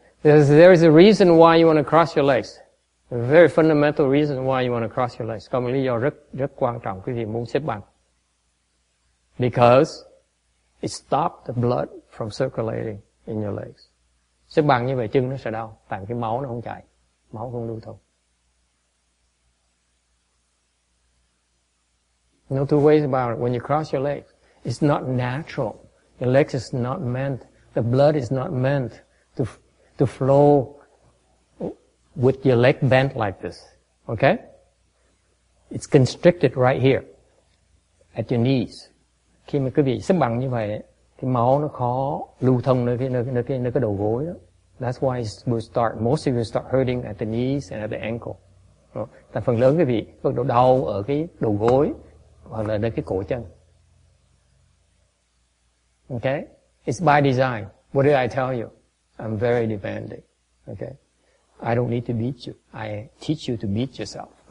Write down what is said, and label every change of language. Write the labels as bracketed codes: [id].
[en] There is a reason why you want to cross your legs. A very fundamental reason why you want to cross your legs. [vi] Có một lý do rất rất quan trọng quý vị muốn xếp bằng. [en] Because it stops the blood from circulating in your legs. [vi] Xếp bằng như vậy chân nó sẽ đau, tại cái máu nó không chạy, máu không lưu thông. [en] No two ways about it. When you cross your legs, it's not natural. Your legs is not meant, the blood is not meant to flow with your leg bent like this. Okay? It's constricted right here at your knees. [vi] Khi mà quý vị xếp bằng như vậy, thì máu nó khó lưu thông nơi cái đầu gối đó. [en] That's why it will start, most of you start hurting at the knees and at the ankle. [vi] Tại phần lớn quý vị bắt đầu đau ở cái đầu gối hoặc là nơi cái cổ chân. [en] Okay? It's by design. What did I tell you? I'm very demanding. Okay? I don't need to beat you. I teach you to beat yourself.